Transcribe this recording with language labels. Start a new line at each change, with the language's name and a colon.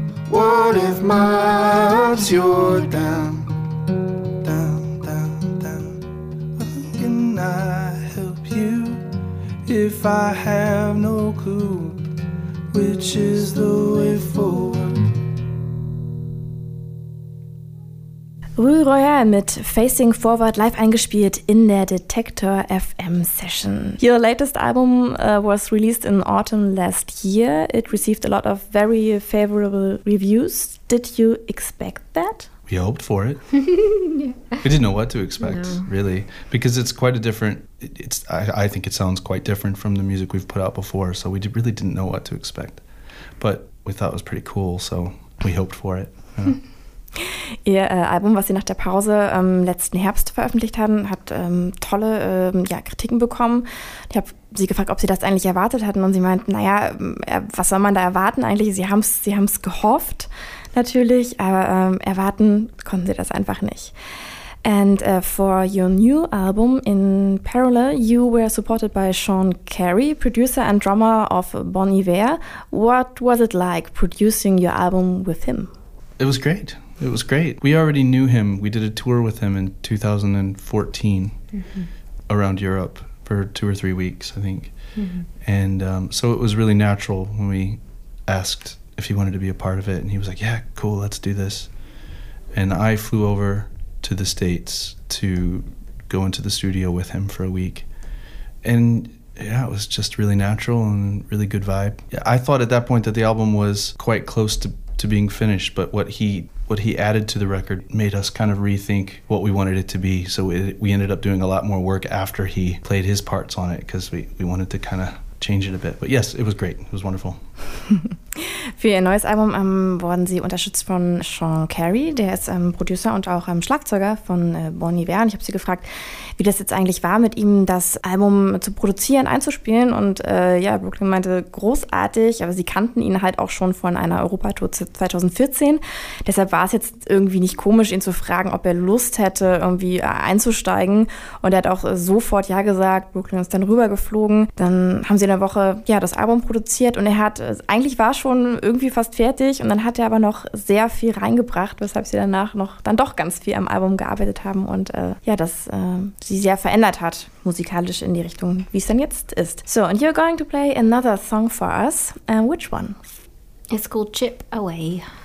English: What if my hopes you're down? Down, down, down. How can I help you if I have no clue which is the way forward?
German: Rue Royal mit Facing Forward live eingespielt in der Detektor FM Session.
English: Your latest album was released in autumn last year. It received a lot of very favorable reviews. Did you expect that? We hoped for it. We didn't know what to expect, no. Really, because it's quite a different, I think it sounds quite different from the music we've put out before, so we really didn't know what to expect. But we thought it was pretty cool, so we hoped for it. Yeah.
German: Ihr Album, was Sie nach der Pause letzten Herbst veröffentlicht haben, hat tolle Kritiken bekommen. Ich habe Sie gefragt, ob Sie das eigentlich erwartet hatten und Sie meinten, naja, was soll man da erwarten eigentlich? Sie haben es gehofft natürlich, aber erwarten konnten Sie das einfach nicht.
English: And for your new album, In Parallel, you were supported by Sean Carey, producer and drummer of Bon Iver. What was it like producing your album with him? It was great. It was great. We already knew him. We did a tour with him in 2014, mm-hmm. around Europe for 2 or 3 weeks, I think. Mm-hmm. And so it was really natural when we asked if he wanted to be a part of it. And he was like, yeah, cool, let's do this. And I flew over to the States to go into the studio with him for a week. And yeah, it was just really natural and really good vibe. I thought at that point that the album was quite close to being finished, but what he added to the record made us kind of rethink what we wanted it to be. So we ended up doing a lot more work after he played his parts on it, because we wanted to kind of change it a bit. But yes, it was great. It was wonderful.
German: Für Ihr neues Album wurden Sie unterstützt von Sean Carey. Der ist Producer und auch Schlagzeuger von Bon Iver. Und ich habe Sie gefragt, wie das jetzt eigentlich war, mit ihm das Album zu produzieren, einzuspielen. Und Brooklyn meinte, großartig. Aber Sie kannten ihn halt auch schon von einer Europatour 2014. Deshalb war es jetzt irgendwie nicht komisch, ihn zu fragen, ob er Lust hätte, irgendwie einzusteigen. Und er hat auch sofort ja gesagt. Brooklyn ist dann rübergeflogen. Dann haben sie in der Woche das Album produziert. Und er hat eigentlich war schon irgendwie fast fertig und dann hat er aber noch sehr viel reingebracht, weshalb sie danach noch dann doch ganz viel am Album gearbeitet haben und das sie sehr verändert hat musikalisch in die Richtung, wie es dann jetzt ist.
English: So, and you're going to play another song for us. Which one? It's called Chip Away.